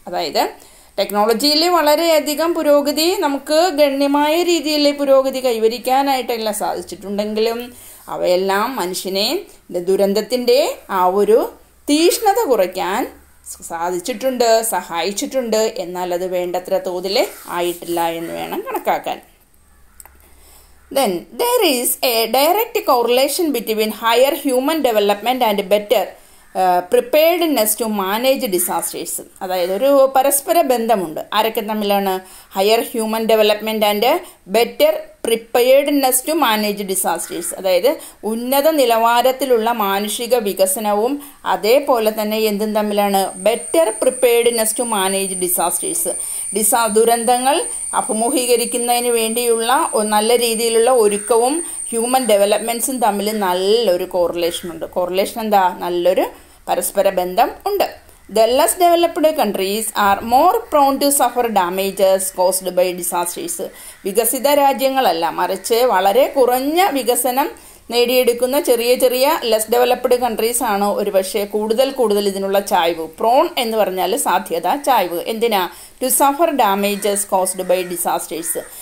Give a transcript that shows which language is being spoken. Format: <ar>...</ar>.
<ml>അതായത് ടെക്നോളജിയിൽ വളരെയധികം പുരോഗതി, നമുക്ക് ഗണ്യമായ രീതിയിൽ പുരോഗതി കൈവരിക്കാനായിട്ടല്ല സാധിച്ചിട്ടുണ്ടെങ്കിലും അവയെല്ലാം മനുഷ്യനെ ദുരന്തത്തിൻ്റെ ആ ഒരു തീക്ഷ്ണത കുറയ്ക്കാൻ സാധിച്ചിട്ടുണ്ട്, സഹായിച്ചിട്ടുണ്ട്. എന്നാൽ അത് വേണ്ടത്ര തോതിൽ ആയിട്ടില്ല എന്ന് വേണം കണക്കാക്കാൻ.</ml> <en>Then there is a direct correlation between higher human development and better preparedness to manage disasters.</en> <ml>അതായത് ഒരു പരസ്പര ബന്ധമുണ്ട്. ആരൊക്കെ തമ്മിലാണ്?</ml> <en>Higher human development and better preparedness to manage disasters.</en> <ml>അതായത് ഉന്നത നിലവാരത്തിലുള്ള മാനുഷിക വികസനവും അതേപോലെ തന്നെ എന്തും തമ്മിലാണ്?</ml> <en>Better preparedness to manage disasters.</en> <ml>ദുരന്തങ്ങൾ അഭിമുഖീകരിക്കുന്നതിന് വേണ്ടിയുള്ള നല്ല രീതിയിലുള്ള ഒരുക്കവും ഹ്യൂമൻ ഡെവലപ്മെൻറ്റ്സും തമ്മിൽ നല്ലൊരു കോറിലേഷനുണ്ട്. കോറിലേഷൻ എന്താ? നല്ലൊരു പരസ്പര ബന്ധം ഉണ്ട്.</ml> <en>The less developed countries are more prone to suffer damages caused by disasters.</en> <ml>വികസിത രാജ്യങ്ങളല്ല, മറിച്ച് വളരെ കുറഞ്ഞ വികസനം നേടിയെടുക്കുന്ന ചെറിയ ചെറിയ ലെസ് ഡെവലപ്ഡ് കൺട്രീസ് ആണ് ഒരുപക്ഷെ കൂടുതൽ കൂടുതൽ ഇതിനുള്ള ചായ്വ്. പ്രോൺ എന്ന് പറഞ്ഞാൽ സാധ്യത, ചായ്വ്. എന്തിനാ?</ml> <en>To suffer damages caused by disasters.</en>